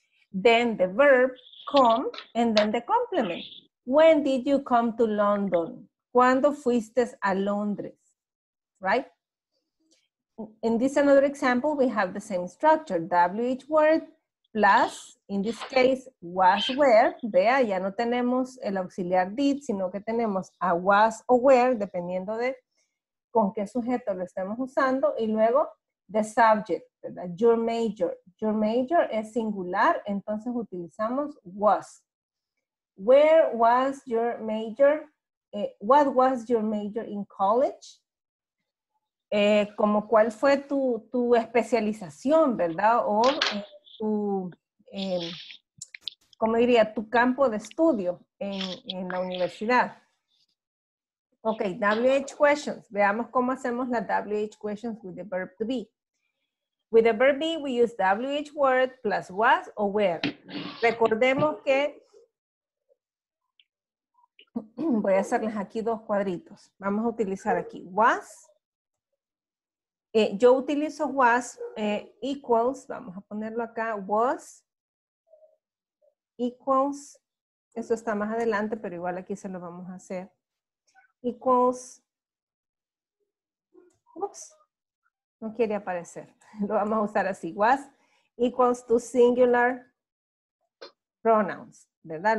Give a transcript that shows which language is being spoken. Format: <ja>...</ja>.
<en>Then the verb, come, and then the complement. When did you come to London?</en> <es>¿Cuándo fuiste a Londres?</es> <en>Right? In this another example, we have the same structure, WH word, plus, in this case, was where,</en> <es>vea, ya no tenemos el auxiliar did, sino que tenemos a was o where, dependiendo de con qué sujeto lo estemos usando, y luego</es> <en>the subject,</en> <es>¿verdad?</es> <en>Your major. Your major</en> <es>es singular, entonces utilizamos was.</es> <en>Where was your major? What was your major in college?</en> <es>Como cuál fue tu especialización, ¿verdad? O tu, ¿cómo diría? Tu campo de estudio en la universidad.</es> <en>Ok, WH questions.</en> <es>Veamos cómo hacemos las</es> <en>WH questions with the verb to be. With the verb be, we use WH word plus was or were.</en> <es>Recordemos que... Voy a hacerles aquí dos cuadritos. Vamos a utilizar aquí was. Yo utilizo was equals, vamos a ponerlo acá, was equals, eso está más adelante, pero igual aquí se lo vamos a hacer, equals, ups, no quiere aparecer, lo vamos a usar así,</es> <en>was equals to singular pronouns,</en> <es>¿verdad?</es>